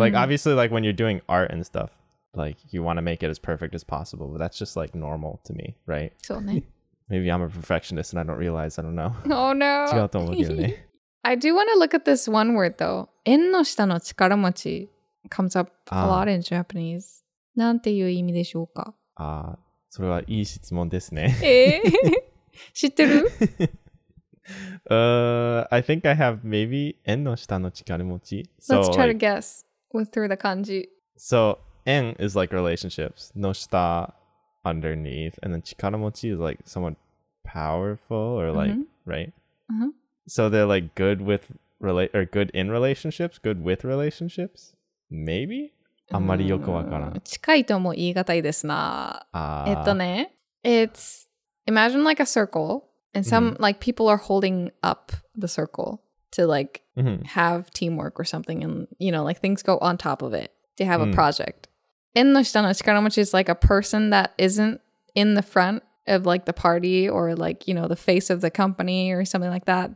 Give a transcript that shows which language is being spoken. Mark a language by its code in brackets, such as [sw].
[en] Like obviously, like when you're doing art and stuff, like you want to make it as perfect as possible, but that's just like normal to me, right? Maybe I'm a perfectionist and I don't realize. I don't know. Oh no. [ja] 違うと思うけどね。 [en] I do want to look at this one word though. 縁の下の力持ち comes up a lot in Japanese. [ja] なんていう意味でしょうか? [en] Ah, [ja] それはいい質問ですね。知ってる? [en] I think I have maybe 縁の下の力持ち. Let's try to guess with through the kanji. So, 縁 is like relationships. の下, underneath. And then 力持ち is like someone powerful or like, right? Uh-huh. So they're like good with, or good in relationships, good with relationships? Maybe? [ja] あんまりよくわからん。近いとも言い難いですな。ね、 [en] it's... Imagine like a circle and some like people are holding up the circle to like have teamwork or something. And, you know, like things go on top of it. They have a project. 縁の下の力持ち is like a person that isn't in the front of like the party or like, you know, the face of the company or something like that.